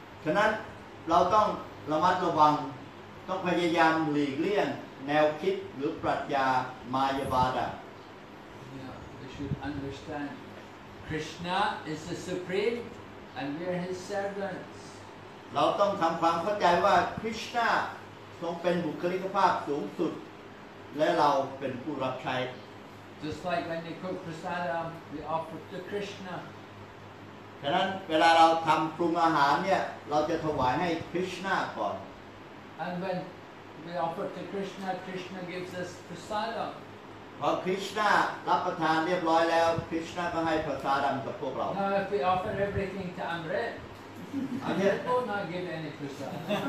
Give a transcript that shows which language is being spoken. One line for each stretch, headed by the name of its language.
Thai: ฉะนั้นเราต้องระมัดระวังต้องพยายามหลีกเลี่ยงแนวคิดหรือปรัชญา Mayavada.
English: Yeah, we should understand Krishna is the supreme and we are his servants.
Thai: เราต้องทำความเข้าใจว่าคริสต์ทรงเป็นบุคลิกภาพสูงสุดและเราเป็นผู้รับใช้
English: Just like when you cook prasadam, we offer to Krishna.
Thai: ฉะนั้นเวลาเราทำปรุงอาหารเนี่ยเราจะถวายให้ Krishna ก่อน
English: And when we offer to Krishna, Krishna gives us prasadam.
Thai: พอ Krishna รับประทานเรียบร้อยแล้ว Krishna ก็ให้ prasadam กับพวกเรา
English: Now if we offer everything to Amrit, Amrit will not give any prasadam.